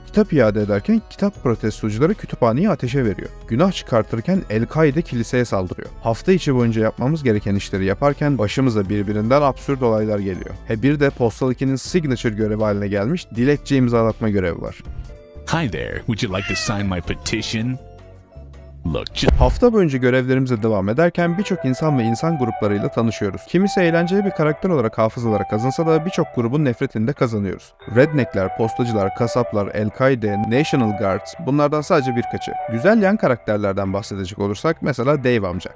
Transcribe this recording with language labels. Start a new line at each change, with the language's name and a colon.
Turkish: Kitap iade ederken kitap protestocuları kütüphaneyi ateşe veriyor. Günah çıkartırken El-Kaide kiliseye saldırıyor. Hafta içi boyunca yapmamız gereken işleri yaparken başımıza birbirinden absürt olaylar geliyor. He bir de Postal 2'nin signature görevi haline gelmiş dilekçe imzalatma görevi var.
English: Hi there, would you like to sign my petition?
Turkish: Hafta boyunca görevlerimize devam ederken birçok insan ve insan gruplarıyla tanışıyoruz. Kimisi eğlenceli bir karakter olarak hafızalara kazınsa da birçok grubun nefretini de kazanıyoruz. Redneckler, postacılar, kasaplar, El-Kaide, National Guards bunlardan sadece birkaçı. Güzel yan karakterlerden bahsedecek olursak mesela Dave amca.